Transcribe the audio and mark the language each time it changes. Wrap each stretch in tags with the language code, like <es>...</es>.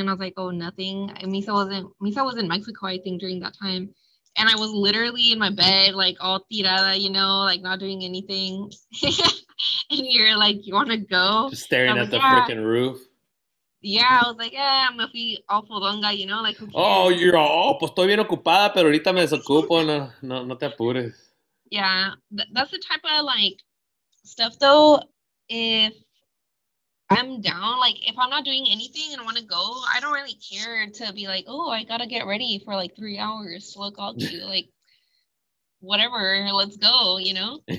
<en>And I was like, oh, nothing. And Misa was in Mexico, I think, during that time. And I was literally in my bed, like, all tirada, you know, like, not doing anything. And you're like, you want to go? Just staring at the freaking roof. Yeah, I was like, yeah, I'm a free awful donga, you know, like, who cares? Oh, you're all,</en> <es>pues estoy bien ocupada, pero ahorita me desocupo, no te apures.</es> <en>Yeah, that's the type of, like, stuff, though. If I'm down, like, if I'm not doing anything and I want to go, I don't really care to be like, oh, I got to get ready for, like, 3 hours to look all cute, like, whatever, let's go, you know?</en>